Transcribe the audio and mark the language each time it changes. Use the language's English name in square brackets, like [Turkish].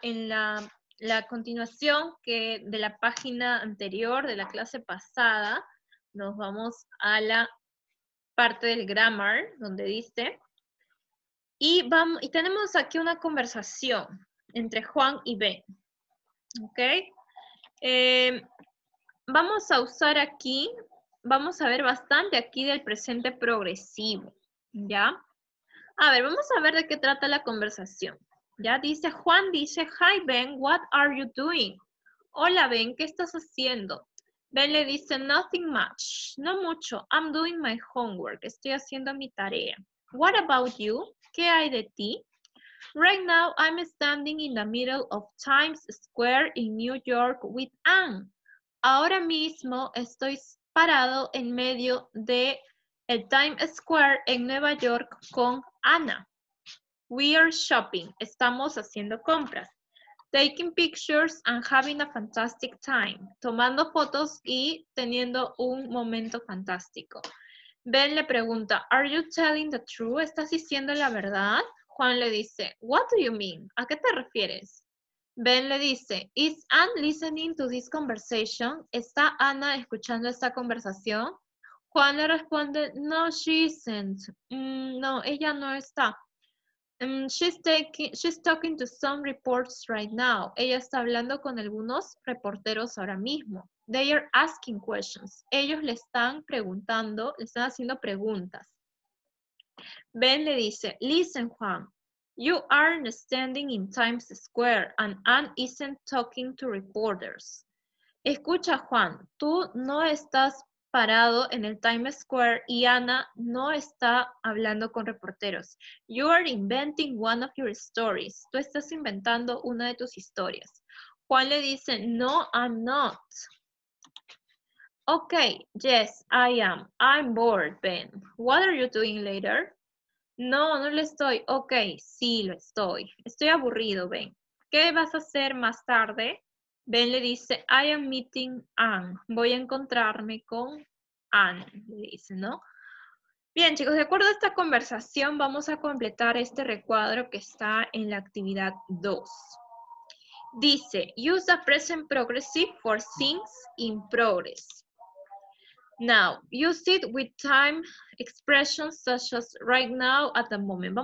[Spanish] En la continuación que de la página anterior, de la clase pasada, nos vamos a la parte del grammar, donde dice, y tenemos aquí una conversación entre Juan y Ben, ¿ok? Vamos a usar aquí, vamos a ver bastante aquí del presente progresivo, ¿ya? A ver, vamos a ver de qué trata la conversación. Ya dice, Juan dice, [English] hi Ben, what are you doing? [Spanish] Hola Ben, ¿qué estás haciendo? Ben le dice, [English] nothing much, [Spanish] no mucho, [English] I'm doing my homework, [Spanish] estoy haciendo mi tarea. [English] What about you? [Spanish] ¿Qué hay de ti? [English] Right now I'm standing in the middle of Times Square in New York with Anne. [Spanish] Ahora mismo estoy parado en medio de el Times Square en Nueva York con Anna. [English] We are shopping. [Spanish] Estamos haciendo compras. [English] Taking pictures and having a fantastic time. [Spanish] Tomando fotos y teniendo un momento fantástico. Ben le pregunta, [English] are you telling the truth? [Spanish] ¿Estás diciendo la verdad? Juan le dice, [English] what do you mean? [Spanish] ¿A qué te refieres? Ben le dice, [English] is Anne listening to this conversation? [Spanish] ¿Está Anna escuchando esta conversación? Juan le responde, [English] no, she isn't. [Spanish] No, ella no está. [English] She's talking to some reports right now. [Spanish] Ella está hablando con algunos reporteros ahora mismo. [English] They are asking questions. [Spanish] Ellos le están preguntando, le están haciendo preguntas. Ben le dice, [English] listen, [Spanish] Juan. [English] You aren't standing in Times Square and Anne isn't talking to reporters. [Spanish] Escucha, Juan, tú no estás parado en el Times Square y Anna no está hablando con reporteros. [English] You are inventing one of your stories. [Spanish] Tú estás inventando una de tus historias. Juan le dice, [English] no, I'm not. Okay, yes, I am. I'm bored, Ben. What are you doing later? [Spanish] No, no lo estoy. Ok, sí, lo estoy. Estoy aburrido, Ben. ¿Qué vas a hacer más tarde? [English] Ben [Spanish] le dice, [English] I am meeting Anne. [Spanish] Voy a encontrarme con Anne, le dice, ¿no? Bien, chicos, de acuerdo a esta conversación, vamos a completar este recuadro que está en la actividad 2. Dice, [English] use the present progressive for things in progress. Now, use it with time expressions such as right now, at the moment.